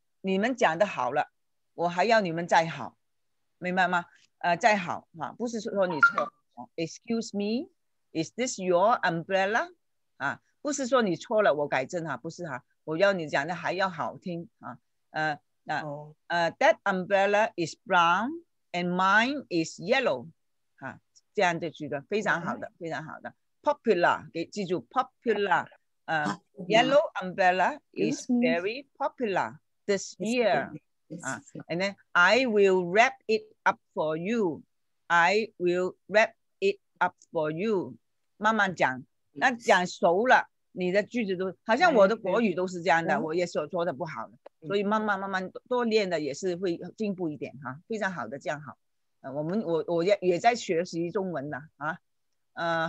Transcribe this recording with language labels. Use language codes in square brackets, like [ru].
[zh] 你们讲的好了。我还要你们再好，明白吗？再好，不是说你错。 [en] Excuse me, Is this your umbrella? [zh] 啊，不是说你错了，我改正哈，不是哈，我要你讲的还要好听啊。 [en] That umbrella is brown and mine is yellow. [zh] 啊，这样的句子非常好的，非常好的。 [en] Popular, [zh] 给记住 [en] popular. Yellow umbrella is very popular this year. And then I will wrap it up for you. I will wrap it up for you. [zh] 慢慢讲，那讲熟了，你的句子都好像我的国语都是这样的，我也是说的不好的，所以慢慢慢慢多练的也是会进步一点哈，非常好的，这样好。我也在学习中文的啊。